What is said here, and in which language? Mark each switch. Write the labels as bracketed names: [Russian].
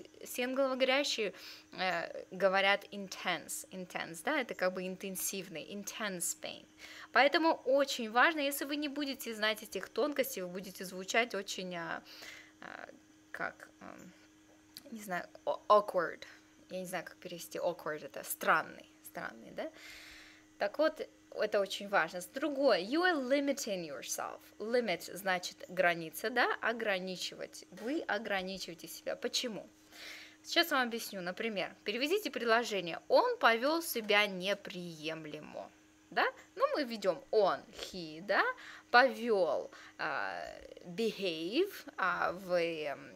[Russian] Все англоговорящие говорят intense, да, это как бы интенсивный, [English] intense pain. [Russian] Поэтому очень важно, если вы не будете знать этих тонкостей, вы будете звучать очень, awkward. Я не знаю, как перевести awkward, это странный, да? Так вот, это очень важно. Другое, [English] you are limiting yourself. [Russian] Limit значит граница, да? Ограничивать. Вы ограничиваете себя. Почему? Сейчас вам объясню. Например, переведите предложение. Он повел себя неприемлемо, да? Ну, мы ведем он, he, да? Повел, behave, а вы...